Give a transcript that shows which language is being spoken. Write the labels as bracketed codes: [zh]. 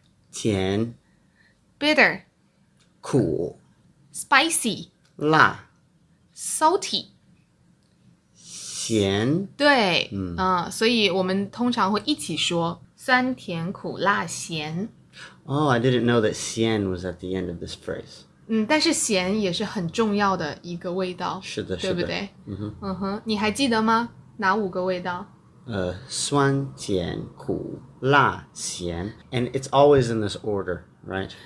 [zh] 甜 [en] bitter [zh] 苦 [en] spicy [zh] 辣 [en] Salty [zh] 咸对、所以我们通常会一起说酸甜苦辣咸 [en] Oh, I didn't know that 咸 was at the end of this phrase [zh] 但是咸也是很重要的一个味道是的对不对是的、 mm-hmm. 你还记得吗哪五个味道酸甜苦辣咸 [en] And it's always in this order, right?